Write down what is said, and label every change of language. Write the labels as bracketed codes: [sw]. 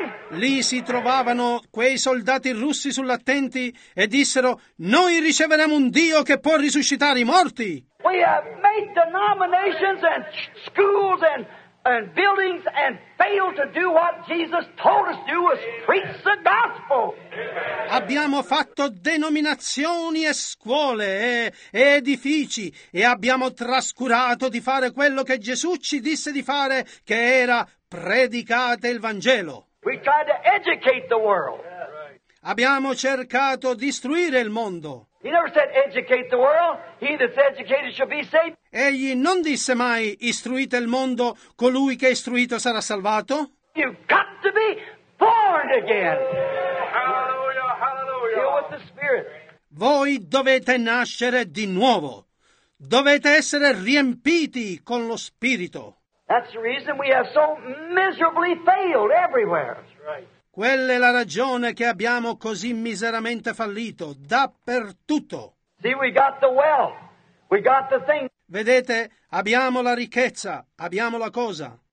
[it] Lì si trovavano quei soldati russi sull'attenti e dissero: noi riceveremo un Dio che può risuscitare i morti. [en] We have made denominations and schools and buildings and failed to do what Jesus told us to do, was preach the gospel. [it] Abbiamo fatto denominazioni e scuole e edifici e abbiamo trascurato di fare quello che Gesù ci disse di fare, che era predicate il Vangelo. [en] We tried to educate the world. [it] Abbiamo cercato di istruire il mondo. [en] He never said educate the world. He that's educated shall be saved. [it] Egli non disse mai istruite il mondo, colui che è istruito sarà salvato. [en] You've got to be born again. Hallelujah, hallelujah. Deal with the Spirit. [it] Voi dovete nascere di nuovo. Dovete essere riempiti con lo Spirito. [en] That's the reason we have so miserably failed everywhere. [it] Quella è la ragione che abbiamo così miseramente fallito, dappertutto. [en] See, we got the wealth. We got the thing. [it] Vedete, abbiamo la ricchezza, abbiamo la cosa.